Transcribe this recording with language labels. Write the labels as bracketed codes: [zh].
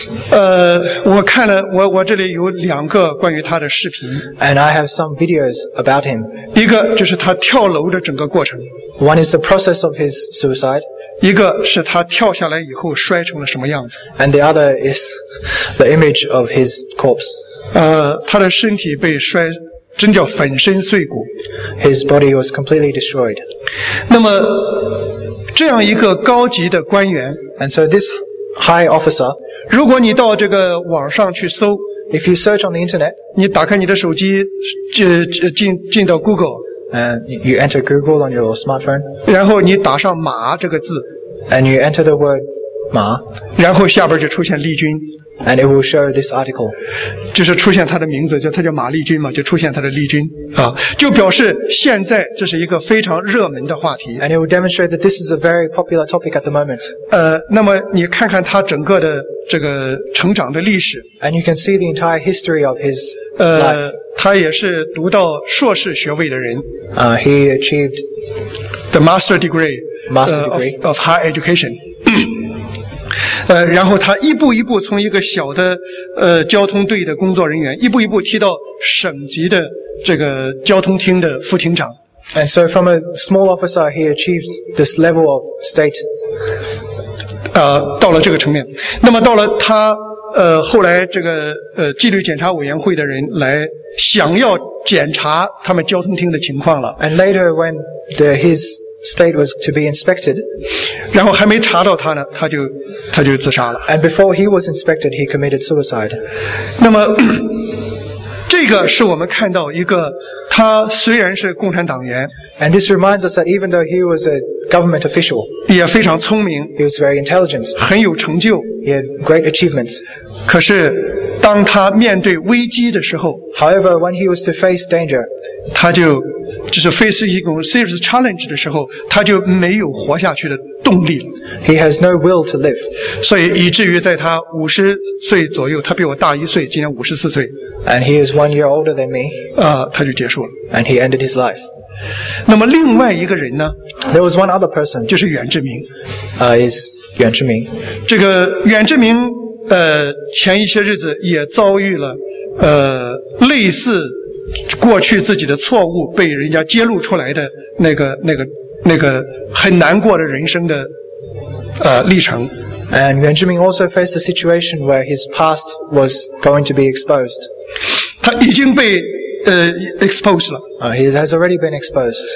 [zh] 我看了我这里有两个关于他的视频。 [en] And I have some videos about him. [zh] 一个就是他跳楼的整个过程。 [en] One is the process of his suicide. [zh] 一个是他跳下来以后摔成了什么样子。 [en] And the other is the image of his corpse. [zh] 他的身体被摔，真叫粉身碎骨。 [en] His body was completely destroyed. [zh] 那么这样一个高级的官员。 [en] And so this high officer. [zh] 如果你到这个网上去搜 [en] ，If you search on the internet， [zh] 你打开你的手机，进到 Google， [en] you enter Google on your smartphone， [zh] 然后你打上马这个字 [en] ，and you enter the word 马， [zh] 然后下边就出现丽君 [en] ，and it will show this article， [zh] 就是出现他的名字，就他叫马丽君嘛，就出现他的丽君啊，就表示现在这是一个非常热门的话题 [en] ，and it will demonstrate that this is a very popular topic at the moment。 [zh] 那么你看看他整个的。这个成长的历史 [en] and you can see the entire history of his life. [zh] 他也是读到硕士学位的人 [en] he achieved the master degree, of higher education. [zh] 然后他一步一步从一个小的交通队的工作人员一步一步提到省级的这个交通厅的副厅长 [en] and so from a small officer he achieved this level of state [zh] 到了这个层面，那么到了他后来这个纪律检查委员会的人来想要检查他们交通厅的情况了。 [en] And later when his state was to be inspected, [zh] 然后还没查到他呢，他就自杀了。 [en] And before he was inspected, he committed suicide. [zh] 那么这个是我们看到一个他虽然是共产党员 [en] ，And this reminds us that even though he was a government official, [zh] 也非常聪明 [en] ，He was very intelligent, [zh] 很有成就 [en] ，He had great achievements. [zh] 可是当他面对危机的时候 [en] ，However, when he was to face danger, [zh] 他就是 face 一种 [en] serious challenge [zh] 的时候，他就没有活下去的动力了。 [en] He has no will to live. [zh] 所以以至于在他50岁左右，他比我大一岁，今年54岁。 [en] And he is 1 year older than me. [zh] 他就结束了。 [en] And he ended his life. [zh] 那么另外一个人呢 [en] ？There was one other person. [zh] 就是袁志明。 [en] Is 袁志明。 [zh] 这个袁志明前一些日子也遭遇了类似。过去自己的错误被人家揭露出来的那个很难过的人生的历程。 [en] And Yuan Zhiming also faced a situation where his past was going to be exposed. [zh] 他已经被exposed 了。 [en] He has already been exposed.